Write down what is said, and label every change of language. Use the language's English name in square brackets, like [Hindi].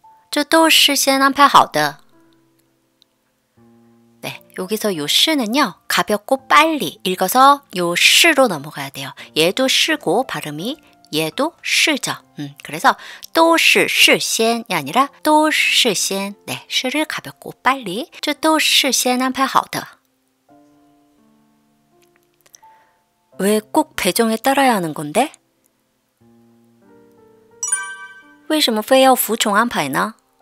[Chinese] 这都是事先安排好的. [Korean] 네, 여기서 요 시는요, 가볍고 빨리 읽어서 요 시로 넘어가야 돼요. 얘도 시고 발음이 얘도 시죠. 그래서 [Chinese] 都是事先 [Korean] 이 아니라 [Chinese] 都是先. [Korean] 네, 시를 가볍고 빨리. [Chinese] 这都事先安排好的. [Korean] 왜 꼭 배정에 따라야 하는 건데? [Chinese] 为什么非要服从安排呢?